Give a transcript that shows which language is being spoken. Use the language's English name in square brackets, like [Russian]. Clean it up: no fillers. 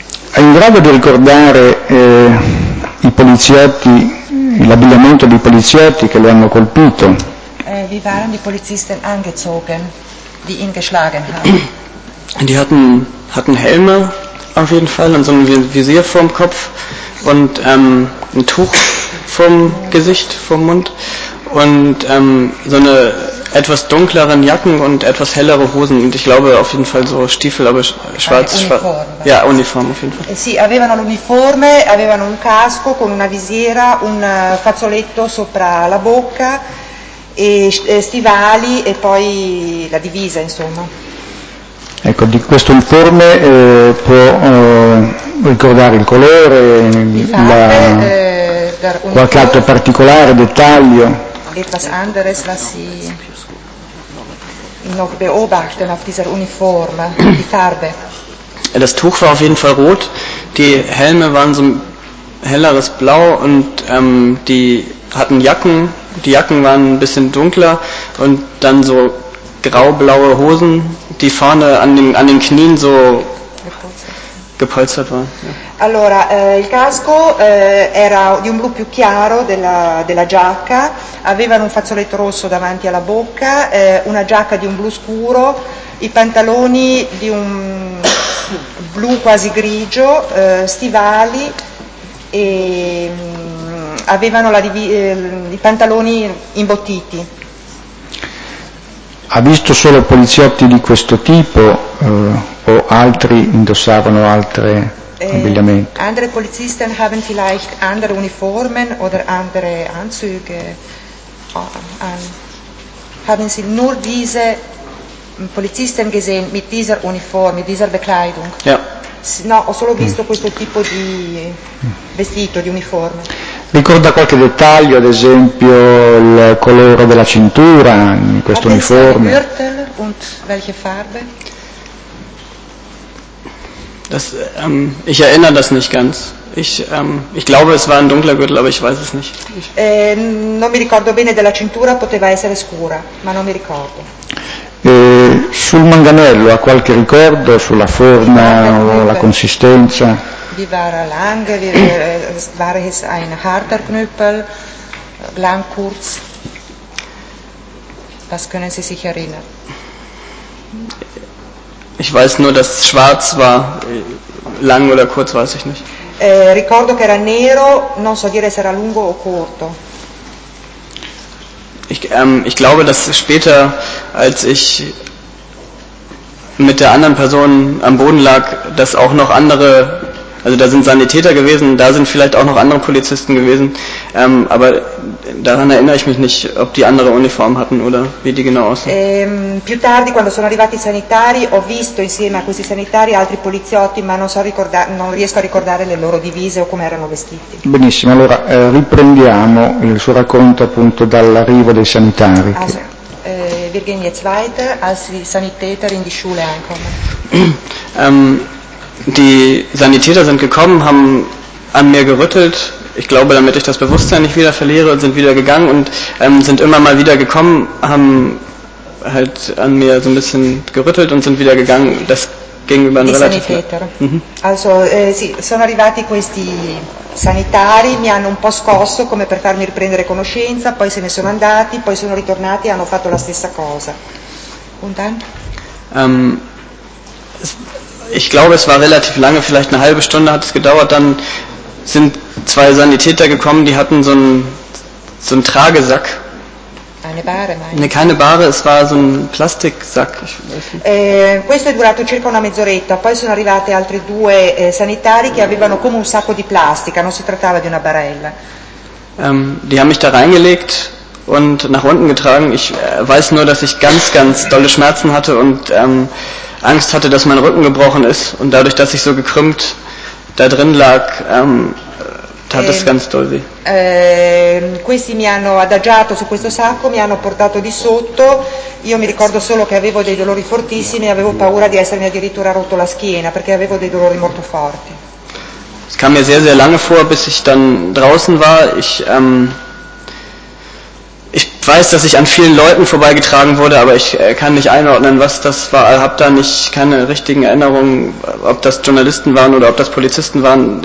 [Italian] È in grado di ricordare i poliziotti, l'abbigliamento dei poliziotti che lo hanno colpito? [German] Wie waren die Polizisten angezogen, die ihn geschlagen haben? Die hatten Helme auf jeden Fall und so ein Visier vorm Kopf und ein Tuch vom Gesicht, vom Mund und so eine etwas dunkleren Jacken und etwas hellere Hosen und ich glaube auf jeden Fall so Stiefel, aber schwarz, Uniform auf jeden Fall. [Italian] Sì, avevano l'uniforme, avevano un casco con una visiera, un fazzoletto sopra la bocca e stivali e poi la divisa, insomma. Ecco, di questo uniforme può ricordare il colore, qualche altro particolare dettaglio. [German] Etwas anderes, was Sie noch beobachten auf dieser Uniform, die Farbe. Das Tuch war auf jeden Fall rot, die Helme waren so ein helleres Blau und die hatten Jacken, die Jacken waren ein bisschen dunkler und dann so graublaue Hosen, die vorne an den Knien so gepolstert waren. Ja. [Italian] Allora, il casco era di un blu più chiaro della giacca, avevano un fazzoletto rosso davanti alla bocca, una giacca di un blu scuro, i pantaloni di un blu quasi grigio, stivali e avevano i pantaloni imbottiti. Ha visto solo poliziotti di questo tipo o altri indossavano altre abbigliamento? [German] Andere Polizisten haben vielleicht andere Uniformen oder andere Anzüge an. Haben Sie nur diese Polizisten gesehen mit dieser Uniform, mit dieser Bekleidung? Ja. [Italian] No, ho solo visto questo tipo di vestito, di uniforme. Ricorda qualche dettaglio, ad esempio il colore della cintura in questo uniforme? [German] Gürtel und welche Farbe? Das, ich erinnere das nicht ganz. Ich glaube, es war ein dunkler Gürtel, aber ich weiß es nicht. [Italian] Non mi ricordo bene della cintura, poteva essere scura, ma non mi ricordo. Sul manganello ha qualche ricordo sulla forma o la consistenza? [German] Wie war er lang? War es ein harter Knüppel? Lang, kurz? Was können Sie sich erinnern? Ich weiß nur, dass es schwarz war. Lang oder kurz, weiß ich nicht. [Italian] Ricordo che era nero, non so dire se era lungo o corto. [German] Ich glaube, dass später, als ich mit der anderen Person am Boden lag, dass auch noch andere, also da sind Sanitäter gewesen, da sind vielleicht auch noch andere Polizisten gewesen, aber daran erinnere ich mich nicht, ob die andere Uniform hatten oder wie die genau aussehen. [Italian] Più tardi, quando sono arrivati i sanitari, ho visto insieme a questi sanitari altri poliziotti, ma non riesco a ricordare le loro divise o come erano vestiti. Benissimo, allora riprendiamo il suo racconto appunto dall'arrivo dei sanitari. [German] Also, wir gehen jetzt weiter, als die Sanitäter in die Schule ankommen. Die Sanitäter sind gekommen, haben an mir gerüttelt, ich glaube, damit ich das Bewusstsein nicht wieder verliere, und sind wieder gegangen und sind immer mal wieder gekommen, haben halt an mir so ein bisschen gerüttelt und sind wieder gegangen. Das ging über einen relativ... Sanitäter. [Italian] Also, sì, sono arrivati questi sanitari, mi hanno un po' scosso come per farmi riprendere conoscenza, poi se ne sono andati, poi sono ritornati e hanno fatto la stessa cosa. Und dann? [German] Ich glaube, es war relativ lange, vielleicht eine halbe Stunde hat es gedauert. Dann sind zwei Sanitäter gekommen, die hatten so einen Tragesack. Eine Bahre, meine ich. Nee, keine Bahre, es war so ein Plastiksack. [Italian] Questo è durato circa una mezz'oretta. Poi sono arrivate altre due sanitari che avevano come un sacco di plastica. Non si trattava di una barella. [German] Die haben mich da reingelegt und nach unten getragen. Ich weiß nur, dass ich ganz, ganz dolle Schmerzen hatte und Angst hatte, dass mein Rücken gebrochen ist und dadurch, dass ich so gekrümmt da drin lag, tat es ganz doll weh. [Italian] Questi mi hanno adagiato su questo sacco, mi hanno portato di sotto. Io mi ricordo solo che avevo dei dolori fortissimi e avevo paura di essermi addirittura rotto la schiena perché avevo dei dolori molto forti. [German] Es kam mir sehr, sehr lange vor, bis ich dann draußen war. Ich weiß, dass ich an vielen Leuten vorbeigetragen wurde, aber ich kann nicht einordnen, was das war. Ich habe da nicht keine richtigen Erinnerungen, ob das Journalisten waren oder ob das Polizisten waren.